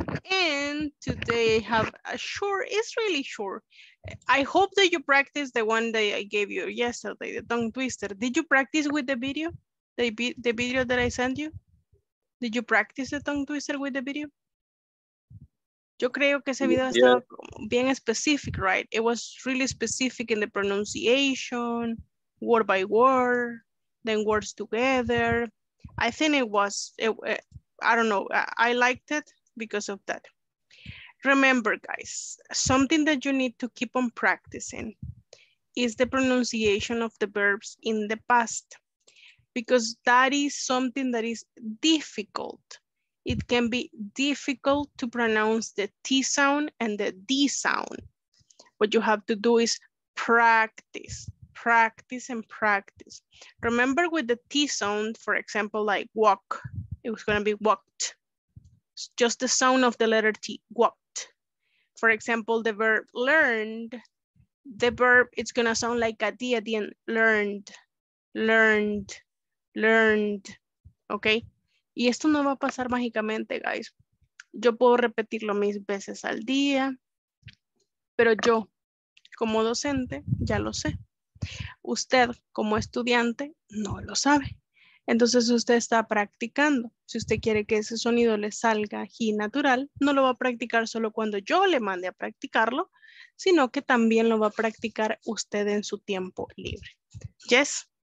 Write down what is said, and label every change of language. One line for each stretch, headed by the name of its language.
English: And today I have a short, it's really short. I hope that you practice the one that I gave you yesterday, the tongue twister. Did you practice with the video? The video that I sent you? Did you practice the tongue twister with the video?
Spanish: Yo creo que ese video estaba bien
English: specific, right? It was really specific in the pronunciation, word by word, then words together. I think I don't know, I liked it because of that. Remember, guys, something that you need to keep on practicing is the pronunciation of the verbs in the past, because that is something that is difficult. It can be difficult to pronounce the T sound and the D sound. What you have to do is practice. Practice and practice. Remember with the T sound, for example, like walk, it was going to be walked. It's just the sound of the letter T, walked. For example, the verb learned, the verb, it's going to sound like a D at the end, learned, learned, learned, okay?
Spanish: Y esto no va a pasar mágicamente, guys. Yo puedo repetirlo mil veces al día, pero yo como docente ya lo sé. Usted como estudiante no lo sabe. Entonces usted está practicando. Si usted quiere que ese sonido le salga ji natural, no lo va a practicar solo cuando yo le mande a practicarlo, sino que también lo va a practicar usted en su tiempo libre. Yes.